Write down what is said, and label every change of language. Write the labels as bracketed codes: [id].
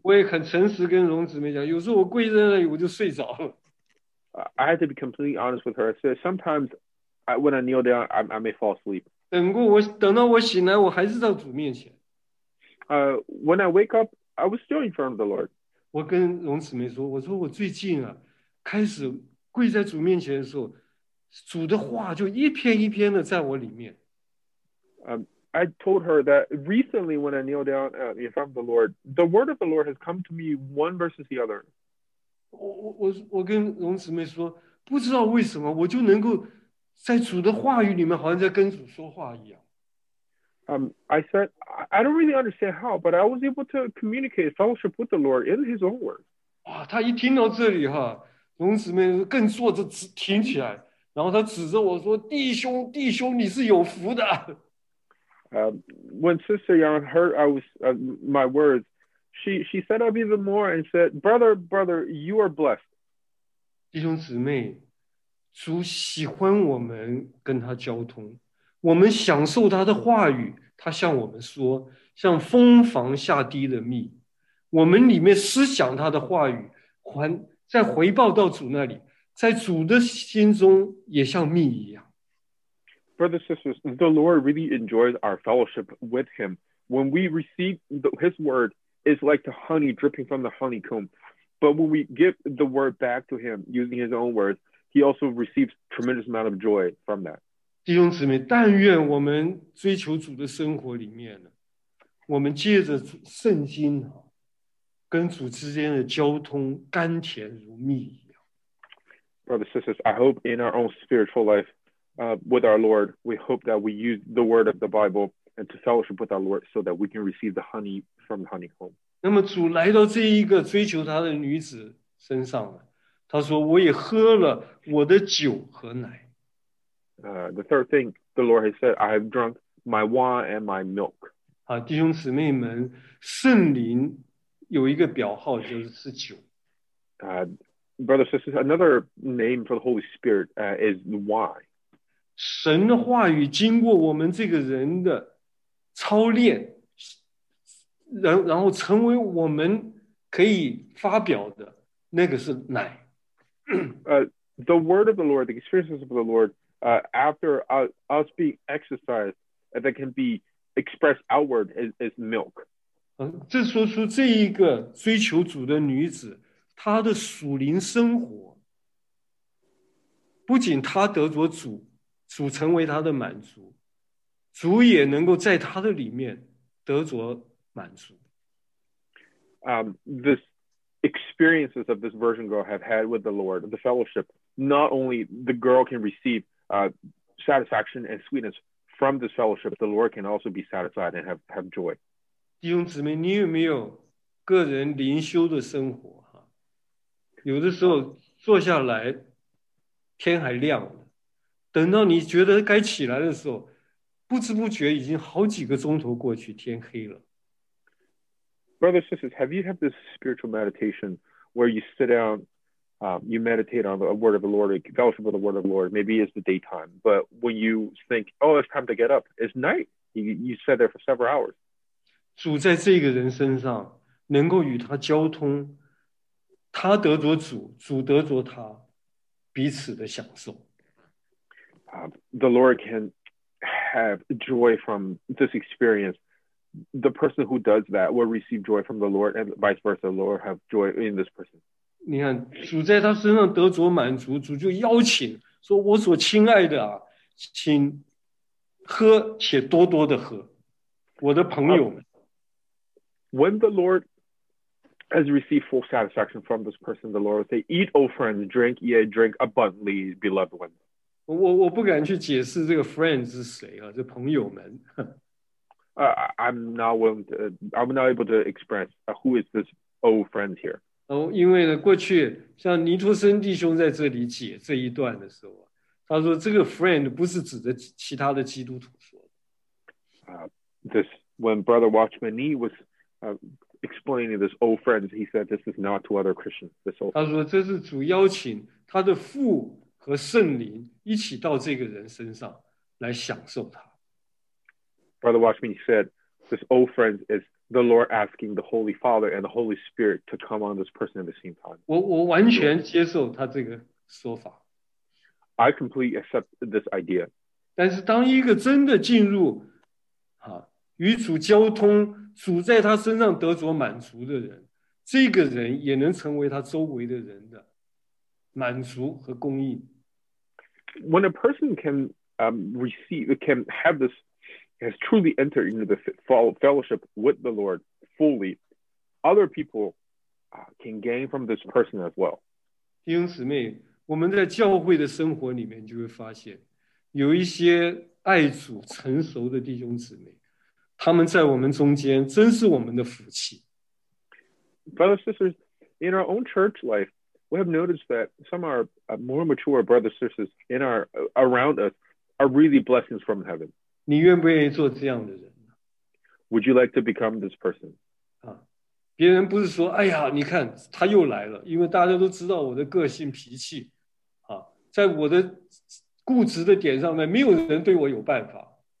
[zh] 我也很诚实跟荣姊妹讲，有时候我跪在那里我就睡着了。 [en] I had to be completely honest with her. I said, sometimes when I kneel down, I may fall asleep. [zh] 等到我醒来，我还是到主面前。 [en] When I wake up, I was still in front of the Lord. [zh] 我跟荣姊妹说，我说我最近啊，开始跪在主面前的时候。主的话就一篇一篇的在我里面。 [en] I told her that recently when I kneel down in front of the Lord, the word of the Lord has come to me one versus the other. [zh] 我跟荣姊妹说，不知道为什么我就能够在主的话语里面好像在跟主说话一样。 [en] I said, I don't really understand how, but I was able to communicate fellowship with the Lord in his own word. [zh] 哇，他一听到这里哈，荣姊妹更坐着指挺起来，然后她指着我说：“弟兄，弟兄，你是有福的。” [en] When Sister Yang heard I was my words, she sat up even more and said, "Brother, brother, you are blessed." [zh] 弟兄姊妹，主喜欢我们跟他交通，我们享受他的话语。他向我们说，像蜂房下滴的蜜，我们里面思想他的话语，还再回报到主那里，在主的心中也像蜜一样。 [en] Brothers and sisters, the Lord really enjoys our fellowship with Him. When we receive His word, it's like the honey dripping from the honeycomb. But when we give the word back to Him using His own words, He also receives tremendous amount of joy from that. [zh] 弟兄姊妹，但愿我们追求主的生活里面呢，我们借着圣经啊，跟主之间的交通甘甜如蜜一样。 [en] Brothers and sisters, I hope in our own spiritual life. With our Lord, we hope that we use the word of the Bible and to fellowship with our Lord so that we can receive the honey from the honeycomb. [zh] 那么主来到这一个追求他的女子身上了，他说我也喝了我的酒和奶。 [en] The third thing the Lord has said, I have drunk my wine and my milk. [zh] 弟兄姊妹们，圣灵有一个表号就是酒。 [en] Brothers and sisters, another name for the Holy Spirit, is wine. [zh] 神的话语经过我们这个人的操练，然后成为我们可以发表的那个是奶。 [en] The word of the Lord, the experiences of the Lord, after us being exercised, that can be expressed outward is milk. [zh] 这说出这一个追求主的女子，她的属灵生活，不仅她得着主。主成为他的满足，主也能够在他的里面得着满足。 [en] This experiences of this virgin girl have had with the Lord, the fellowship, not only the girl can receive satisfaction and sweetness from this fellowship, the Lord can also be satisfied and have joy. [zh] 弟兄姊妹，你有没有个人灵修的生活？有的时候坐下来，天还亮了。等到你觉得该起来的时候，不知不觉已经好几个钟头过去，天黑了。 [en] Brothers and sisters, have you had this spiritual meditation where you sit down, you meditate on the word of the Lord, fellowship with the word of the Lord? Maybe it's the daytime, but when you think, "Oh, it's time to get up," it's night. You sit there for several hours. [zh] 主在这个人身上能够与他交通，他得着主，主得着他，彼此的享受。 [en] The Lord can have joy from this experience. The person who does that will receive joy from the Lord, and vice versa, the Lord have joy in this person. [zh] 你看，主在他身上得着满足，主就邀请说：“我所亲爱的啊，请喝，且多多的喝，我的朋友们。” [en] When the Lord has received full satisfaction from this person, the Lord will say, "Eat, O friends, drink, yea, drink abundantly, beloved ones." [zh] 我不敢去解释这个 friend 是谁啊，这朋友们。 [en] I'm not able to express who is this old friend here. [zh] 因为呢，过去像尼托森弟兄在这里解这一段的时候，他说这个 friend 不是指的其他的基督徒说的。 [en] This when Brother Watchman Nee was explaining this old friend, he said this is not to other Christians. This old [zh] 他说这是主邀请他的父。和圣灵一起到这个人身上来享受他。 [en] Brother Watchman said, "This old friend is the Lord asking the Holy Father and the Holy Spirit to come on this person at the same time." [zh] 我完全接受他这个说法。 [en] I completely accept this idea. [zh] 但是当一个真的进入，与主交通，主在他身上得着满足的人，这个人也能成为他周围的人的。满足和供应。 [en] When a person can receive, can have this, has truly entered into the fellowship with the Lord fully, other people can gain from this person as well. [zh] 弟兄姊妹，我们在教会的生活里面就会发现，有一些爱主成熟的弟兄姊妹，他们在我们中间真是我们的福气。 [en] Brothers and sisters, in our own church life, we have noticed that some of our more mature brothers and sisters in our around us are really blessings from heaven. [zh] 你愿不愿意做这样的人? [en] Would you like to become this person? [zh] 别人不是说，哎呀，你看他又来了，因为大家都知道我的个性脾气，啊，在我的固执的点上面，没有人对我有办法。